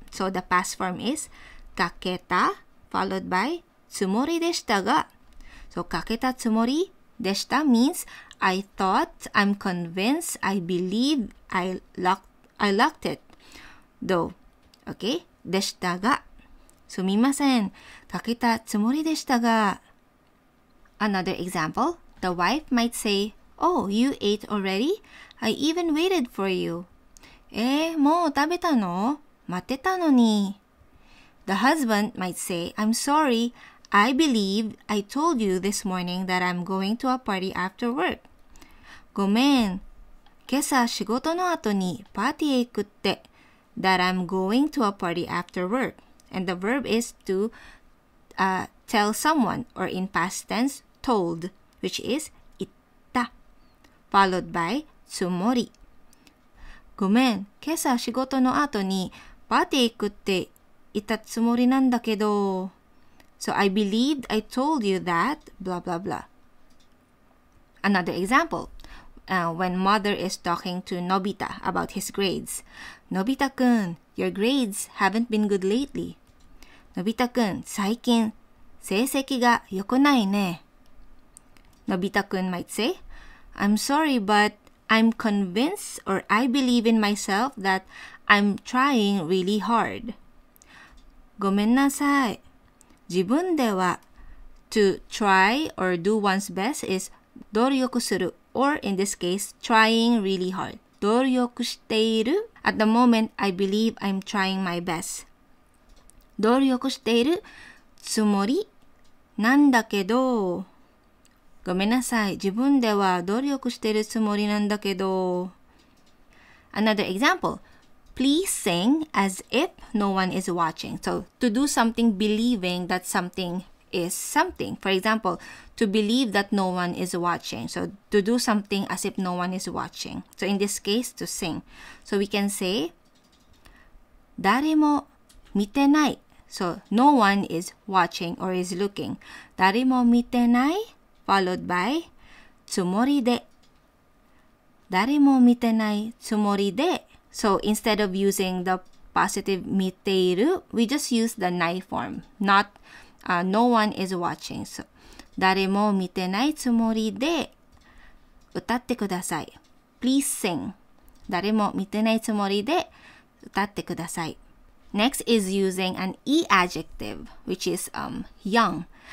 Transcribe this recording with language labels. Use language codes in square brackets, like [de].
[en] So the past form is [ja] かけた [en] followed by [ja] つもりでしたが、 [en] so [ja] かけたつもりでした [en] means I thought, I'm convinced, I believe, I locked it, though. Okay? [ja] でしたが、すみません、かけたつもりでしたが。 [en] Another example, the wife might say, Oh, you ate already? I even waited for you. [ja] もう食べたの?待ってたのに。 [en] The husband might say, I'm sorry,I believe I told you this morning that I'm going to a party after work. [ja] ごめん。今朝仕事の後にパーティーへ行くって。 [en] That I'm going to a party after work. And the verb is to tell someone, or in past tense, told, which is [ja] 言った。 [en] Followed by [ja] つもり。ごめん。今朝仕事の後にパーティーへ行くって言ったつもりなんだけど。 [en] So I believed I told you that, blah, blah, blah. Another example, when mother is talking to Nobita about his grades. Nobita-kun, your grades haven't been good lately. [ja] Nobita-kun, 最近成績が良くないね。 [en] Nobita-kun might say, I'm sorry, but I'm convinced or I believe in myself that I'm trying really hard. [ja] ごめんなさい。自分では [en] to try or do one's best is [ja] 努力する [en] or in this case trying really hard [ja] 努力している [en] at the moment I believe I'm trying my best [ja] 努力しているつもりなんだけどごめんなさい自分では努力しているつもりなんだけど [en] another example Please sing as if no one is watching. So, to do something believing that something is something. For example, to believe that no one is watching. So, to do something as if no one is watching. So, in this case, to sing. So, we can say, [ja] 誰も見てない。 [en] So, no one is watching or is looking. [ja] 誰も見てない [en] followed by [ja] つもりで。誰も見てないつもりで。 [en] So instead of using the positive [ja] 見ている, [en] we just use the ない form. Not, no one is watching. So, [ja] 誰も見てないつもりで歌ってください。 [en] Please sing. [ja] 誰も見てないつもりで歌ってください。 [en] Next is using an E adjective, which is young.